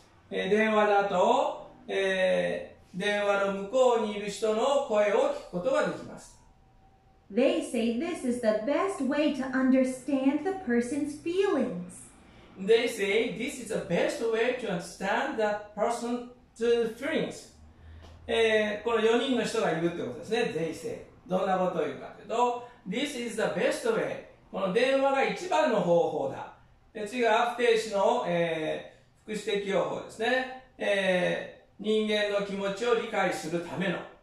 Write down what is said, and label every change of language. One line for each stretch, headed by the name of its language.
Japanese: 電話だと、電話の向こうにいる人の声を聞くことができます。
English: They say this is the best way to understand the person's feelings. They say this is the best way to understand the person's feelings.
Japanese: この4人の人がいるってことですね。
English: They say.
Japanese: どんなことを言うかというと、
English: This is the best way.
Japanese: この電話が一番の方法だ。で次が不定詞の、副詞適用法ですね、人間の気持ちを理解するための。